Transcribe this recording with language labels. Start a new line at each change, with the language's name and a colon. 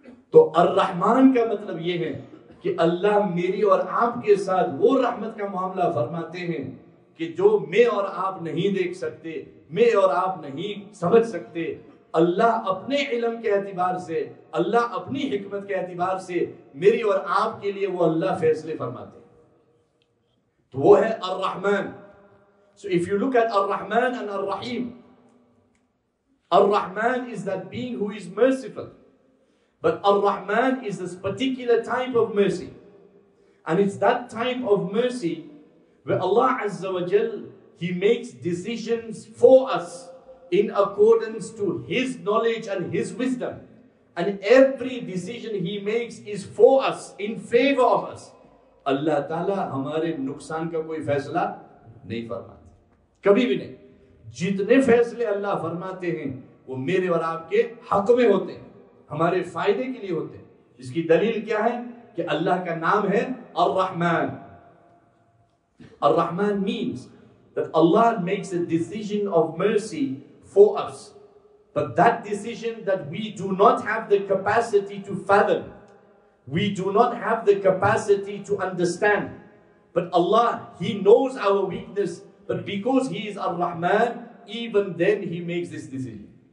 Urdu: تو الرحمن کا مطلب یہ ہے کہ اللہ میری اور آپ کے ساتھ وہ رحمت کا معاملہ فرماتے ہیں کہ جو میں اور آپ نہیں دیکھ سکتے, میں اور آپ نہیں سمجھ سکتے. اللہ اپنے علم کے اعتبار سے, اللہ اپنی حکمت کے اعتبار سے میری اور آپ کے لیے وہ اللہ فیصلے فرماتے ہیں. تو وہ ہے الرحمن.
English: So if you look at الرحمن and الرحیم, الرحمن is that being who is merciful. But الرحمن is this particular type of mercy. And it's that type of mercy where Allah Azza wa Jal, He makes decisions for us in accordance to His knowledge and His wisdom. And every decision He makes is for us, in favor of us.
Urdu: اللہ تعالیٰ ہمارے نقصان کا کوئی فیصلہ نہیں فرماتے, کبھی بھی نہیں. جتنے فیصلے اللہ فرماتے ہیں وہ میرے اور آپ کے حق میں ہوتے ہیں, ہمارے فائدے کے لیے ہوتے ہیں. اس کی دلیل کیا ہے کہ اللہ کا نام ہے الرحمن.
English: الرحمن means that Allah makes a decision of mercy for us, but that decision that we do not have the capacity to fathom, we do not have the capacity to understand. But Allah, He knows our weakness, but because He is Ar-Rahman, even then He makes this decision.